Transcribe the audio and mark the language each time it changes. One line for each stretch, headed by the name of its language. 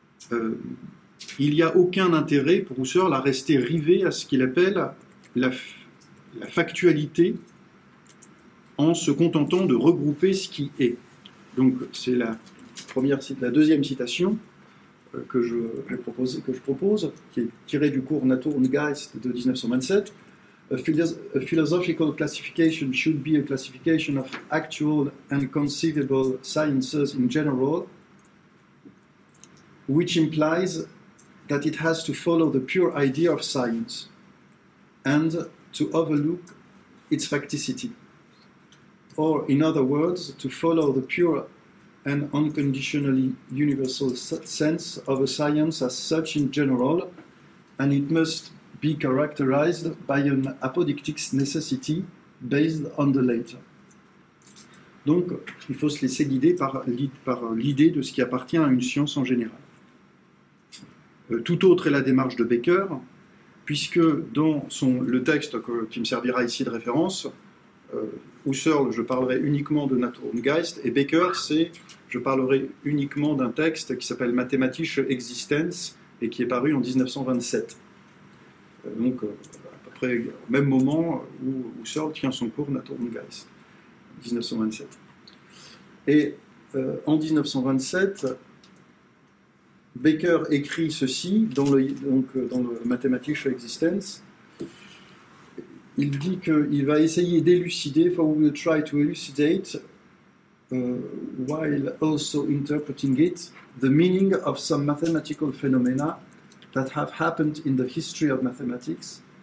French: Il n'y a aucun intérêt pour Husserl à rester rivé à ce qu'il appelle la factualité en se contentant de regrouper ce qui est. Donc c'est la deuxième citation que je propose, qui est tirée du cours Natur und Geist de 1927.
English: A philosophical classification should be a classification of actual and conceivable sciences in general, which implies that it has to follow the pure idea of science and to overlook its facticity. Or, in other words, to follow the pure and unconditionally universal sense of a science as such in general, and it must be characterized by an apodictic necessity based on the latter.
French: Donc, il faut se laisser guider par l'idée de ce qui appartient à une science en général. Tout autre est la démarche de Becker, puisque dans le texte qui me servira ici de référence, Husserl, je parlerai uniquement de Natur und Geist, et Becker, je parlerai uniquement d'un texte qui s'appelle Mathematische Existenz et qui est paru en 1927. Donc, à peu près au même moment où Husserl tient son cours Natur und Geist, 1927. Et en 1927, Becker écrit ceci dans le Mathematische Existenz. il dit qu'il va essayer d'élucider,
English: for we will try to elucidate, while also interpreting it, the meaning of some mathematical phenomena that have happened in the history of mathematics.